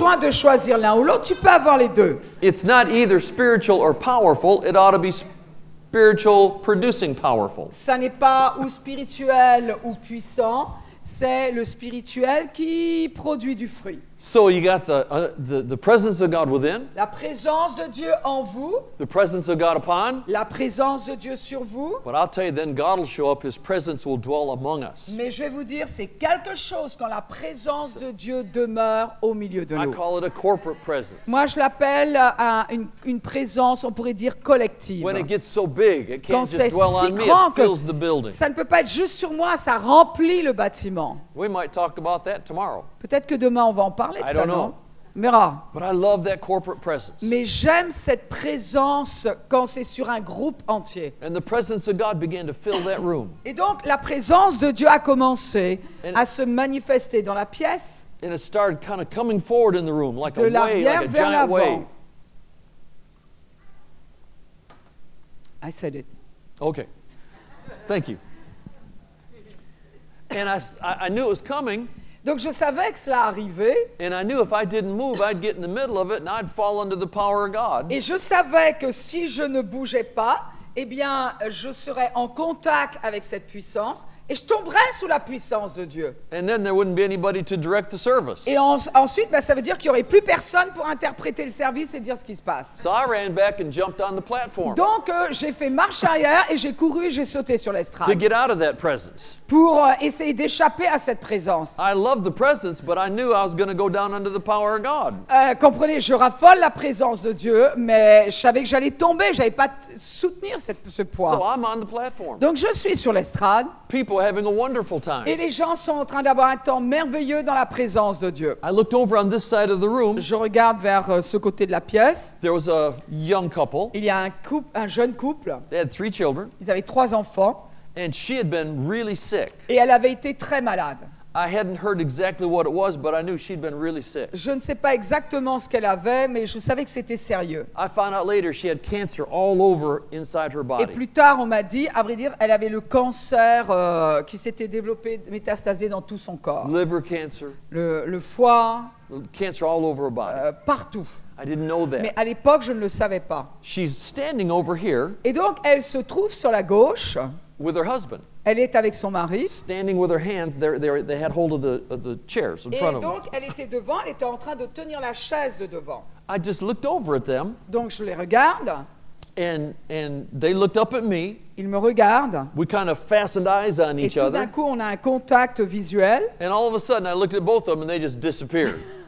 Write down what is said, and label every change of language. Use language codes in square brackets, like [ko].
[fr] Tu n'as pas besoin de choisir l'un ou l'autre. Tu peux avoir les deux. [en] It's not either spiritual or powerful. It ought to be spiritual producing powerful. [fr] Ça n'est pas ou spirituel ou puissant. C'est le spirituel qui produit du fruit. [en] So you got the presence of God within. [fr] La présence de Dieu en vous. [en] The presence of God upon. [fr] La présence de Dieu sur vous. [en] But I'll tell you, then God will show up. His presence will dwell among us. [fr] Mais je vais vous dire, c'est quelque chose quand la présence de Dieu demeure au milieu de nous. [en] I call it a corporate presence. [fr] Moi, je l'appelle une présence, on pourrait dire collective. [en] When it gets so big, it can't [fr] quand [en] just dwell [fr] si [en] on me. It fills the building. [fr] Ça ne peut pas être juste sur moi. Ça remplit le bâtiment. [en] We might talk about that tomorrow. [fr] Peut-être que demain on va en parler de ça, non? Mira. [en] But I love that corporate presence. [fr] Mais j'aime cette présence quand c'est sur un groupe entier. [en] And the presence of God began to fill that room. [fr] Et donc la présence de Dieu a commencé à se manifester dans la pièce. [en] And it started kind of coming forward in the room like a wave, like a giant wave. I said it. Okay. Thank you. And I knew it was coming. [fr] Donc je savais que cela arrivait. [en] And I knew if I didn't move, I'd get in the middle of it and I'd fall under the power of God. [fr] Et je savais que si je ne bougeais pas, eh bien, je serais en contact avec cette puissance et je tomberais sous la puissance de Dieu. [en] And then there wouldn't be anybody to direct the service. [fr] Et ensuite, ben, ça veut dire qu'il n'y aurait plus personne pour interpréter le service et dire ce qui se passe. [en] So I ran back and jumped on the platform. [fr] Donc j'ai fait marche arrière et j'ai couru et j'ai sauté sur l'estrade. [en] To get out of that presence. [fr] Pour essayer d'échapper à cette présence. [en] I loved the presence, but I knew I was going to go down under the power of God. [fr] Comprenez, je raffole la présence de Dieu, mais je savais que j'allais tomber, j'avais pas soutenir ce poids. [en] So I'm on the platform. [fr] Donc je suis sur l'estrade. [en] People having a wonderful time. [fr] Et les gens sont en train d'avoir un temps merveilleux dans la présence de Dieu. [en] I looked over on this side of the room. [fr] Je regarde vers ce côté de la pièce. [en] There was a young couple. [fr] Il y a un jeune couple. [en] They had three children. [fr] Ils avaient trois enfants. [en] And she had been really sick. [fr] Et elle avait été très malade. [en] I hadn't heard exactly what it was, but I knew she'd been really sick. [fr] Je ne sais pas exactement ce qu'elle avait, mais je savais que c'était sérieux. [en] I found out later she had cancer all over inside her body. [fr] Et plus tard, on m'a dit, à vrai dire, elle avait le cancer qui s'était développé, métastasé dans tout son corps. [en] Liver cancer. [fr] Le foie. [en] Cancer all over her body. [fr] Partout. [en] I didn't know that. [fr] Mais à l'époque, je ne le savais pas. [en] She's standing over here. [fr] Et donc, elle se trouve sur la gauche. [en] With her husband. [fr] Elle est avec son mari. [en] Standing with her hands, they had hold of the chairs in [fr] et [en] front of them. [fr] Et donc elle était devant, elle était en train de tenir la chaise de devant. [en] I just looked over at them. [fr] Donc je les regarde. [en] And they looked up at me. [fr] Ils me regardent. [en] We kind of fastened eyes on each other. [fr] Et tout d'un coup, on a un contact visuel. [en] And all of a sudden, I looked at both of them, and they just disappeared.